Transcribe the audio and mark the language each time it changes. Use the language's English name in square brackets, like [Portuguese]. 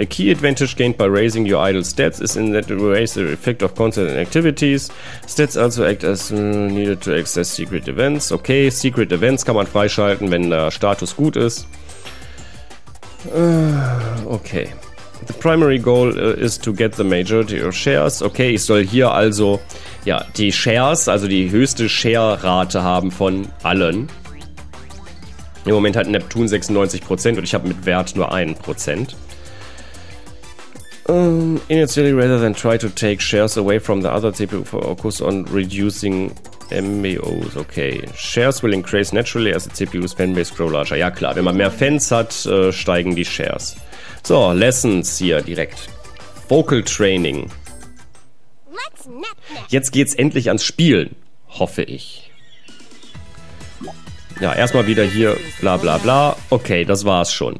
[English] A key advantage gained by raising your idol's stats is in that it raises the effect of concert and activities. Stats also act as needed to access secret events. [German] Okay, secret events kann man freischalten, wenn der Status gut ist. [English] Okay. The primary goal is to get the majority of shares. Okay, [German] ich soll hier also ja, die Shares, also die höchste Share-Rate haben von allen. Im Moment hat Neptun 96% und ich habe mit Wert nur 1%. [English] Initially, rather than try to take shares away from the other people, focus on reducing MBOs, okay. Shares will increase naturally as the CPU's fanbase grow larger. [German] Ja klar, wenn man mehr Fans hat, steigen die Shares. So, Lessons hier direkt. Vocal Training. Jetzt geht's endlich ans Spielen, hoffe ich. Ja, erstmal wieder hier, bla bla bla. Okay, das war's schon.